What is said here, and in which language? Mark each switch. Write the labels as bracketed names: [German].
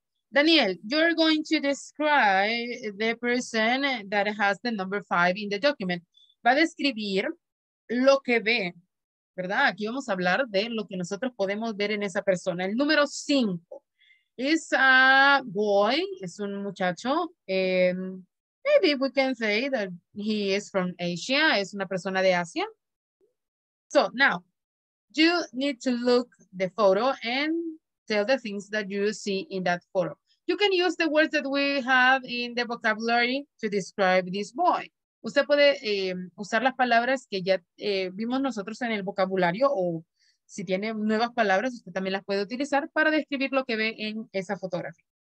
[English] Daniel, you're going to describe the person that has the number 5 in the document. [Spanish] Va a describir lo que ve, ¿verdad? Aquí vamos a hablar de lo que nosotros podemos ver en esa persona. El número 5 [English] is a boy, [Spanish] es un muchacho. [English] Maybe we can say that he is from Asia, [Spanish] es una persona de Asia. [English] So now, you need to look the photo and tell the things that you see in that photo. You can use the words that we have in the vocabulary to describe this boy. [Spanish] Usted puede usar las palabras que ya vimos nosotros en el vocabulario, o si tiene nuevas palabras, usted también las puede utilizar para describir lo que ve en esa fotografía.